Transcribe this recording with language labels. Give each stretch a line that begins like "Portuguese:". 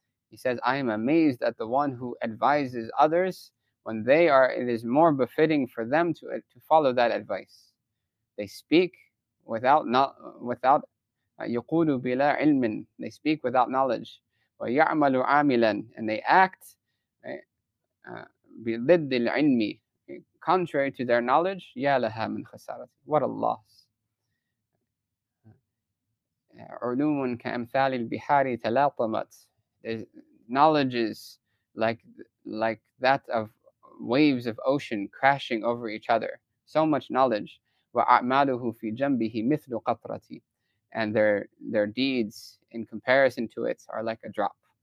English: He says, I am amazed at the one who advises others when it is more befitting for them to follow that advice. They speak without
Arabic: يَقُولُ بِلَا عِلْمٍ,
English: they speak without knowledge.
Arabic: وَيَعْمَلُ عَامِلًا,
English: and they act
Arabic: بِضِدِّ الْعِلْمِ,
English: contrary to their knowledge.
Arabic: يَا لَهَا مِنْ خَسَارَةِ,
English: what a loss.
Arabic: عُلُومٌ كَأَمْثَالِ الْبِحَارِ تَلَاطَمَتْ,
English: knowledges like that of waves of ocean crashing over each other. So much knowledge.
Arabic: وَأَعْمَالُهُ فِي جَنْبِهِ مِثْلُ قَطْرَةِ,
English: and their deeds in comparison to it are like a drop.